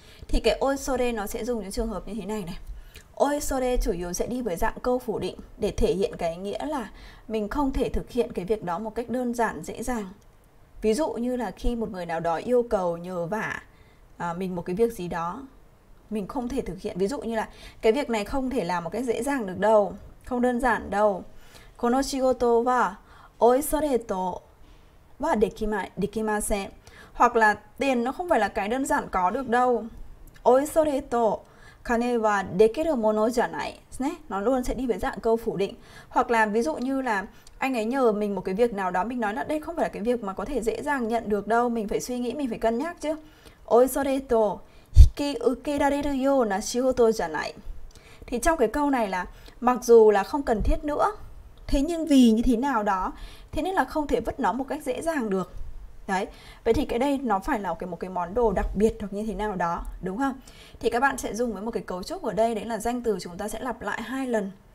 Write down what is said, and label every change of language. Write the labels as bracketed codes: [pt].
[vi] Thì cái oisore nó sẽ dùng những trường hợp như thế này này. Oisore chủ yếu sẽ đi với dạng câu phủ định để thể hiện cái nghĩa là mình không thể thực hiện cái việc đó một cách đơn giản dễ dàng. Ví dụ như là khi một người nào đó yêu cầu nhờ vả mình một cái việc gì đó, mình không thể thực hiện. Ví dụ như là cái việc này không thể làm một cách dễ dàng được đâu, không đơn giản đâu. [ja] この仕事はおいそれとはできません。 [vi] Hoặc là tiền nó không phải là cái đơn giản có được đâu. [ja] おいそれと金はできるものじゃない。 [vi] Né, nó luôn sẽ đi với dạng câu phủ định. Hoặc là ví dụ như là anh ấy nhờ mình một cái việc nào đó, mình nói là đây không phải là cái việc mà có thể dễ dàng nhận được đâu, mình phải suy nghĩ, mình phải cân nhắc chứ. [ja] おいそれと引き受けられるような仕事じゃない。 [vi] Thì trong cái câu này là mặc dù là không cần thiết nữa, thế nhưng vì như thế nào đó, thế nên là không thể vứt nó một cách dễ dàng được. Đấy. Vậy thì cái đây nó phải là một cái món đồ đặc biệt hoặc như thế nào đó, đúng không? Thì các bạn sẽ dùng với một cái cấu trúc ở đây, đấy là danh từ chúng ta sẽ lặp lại hai lần.